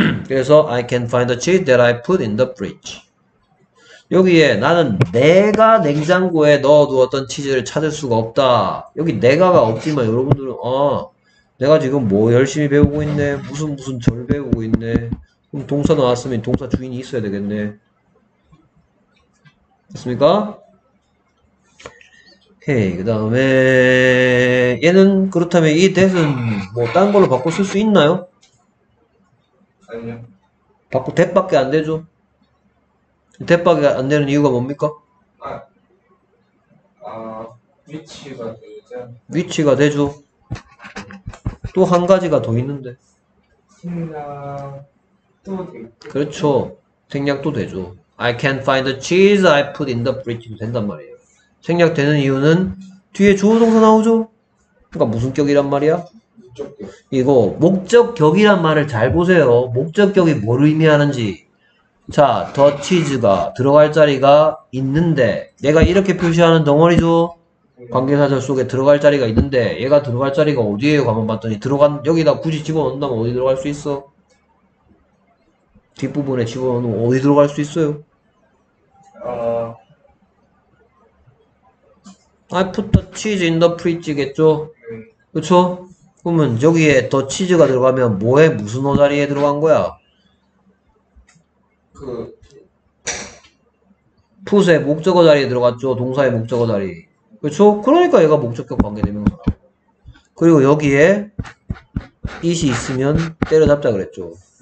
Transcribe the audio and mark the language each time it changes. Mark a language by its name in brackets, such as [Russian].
[Korean] 그래서 [English] I can find the cheese that I put in the fridge. [Korean] 여기에 나는 내가 냉장고에 넣어두었던 치즈를 찾을 수가 없다. 여기 내가가 없지만 여러분들은 아 내가 지금 뭐 열심히 배우고 있네. 무슨 절 배우고 있네. 그럼 동사 나왔으면 동사 주인이 있어야 되겠네. 됐습니까? 오케이. 그 다음에 얘는 그렇다면 이 that은 뭐딴 걸로 바꿔 쓸수 있나요? 아니요. 바꿔 that밖에 안 되죠? that밖에 안 되는 이유가 뭡니까? 위치가 되죠. 위치가 되죠. 또한 가지가 더 있는데. 생략도 되겠죠. 그렇죠. 생략도 되죠. [English] I can't find the cheese I put in the fridge. [Korean] 된단 말이에요. 생략되는 이유는 뒤에 주어 동사 나오죠? 그러니까 무슨 격이란 말이야? 이거 목적격이란 말을 잘 보세요. 목적격이 뭘 의미하는지. 자, 더 치즈가 들어갈 자리가 있는데 내가 이렇게 표시하는 덩어리죠. 관계사절 속에 들어갈 자리가 있는데 얘가 들어갈 자리가 어디예요? 가만 봤더니 들어간 여기다 굳이 집어넣는다면 어디 들어갈 수 있어? 뒷부분에 집어넣으면 어디 들어갈 수 있어요? [English] 아, I put the cheese in the fridge겠죠? [Korean] 그쵸? 그러면 여기에 더 치즈가 들어가면 뭐에 무슨 어자리에 들어간 거야? 그 put의 목적어 자리에 들어갔죠? 동사의 목적어 자리. 그쵸? 그러니까 얘가 목적격 관계대명사라. 그리고 여기에 it이 있으면 때려잡자 그랬죠.